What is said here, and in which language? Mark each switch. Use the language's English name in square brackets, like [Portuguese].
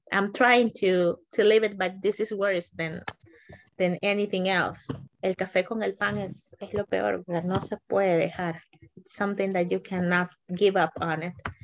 [English] I'm trying to live it, but this is worse than anything else. [Spanish] El café con el pan es lo peor, no se puede dejar. [English] It's something that you cannot give up on it.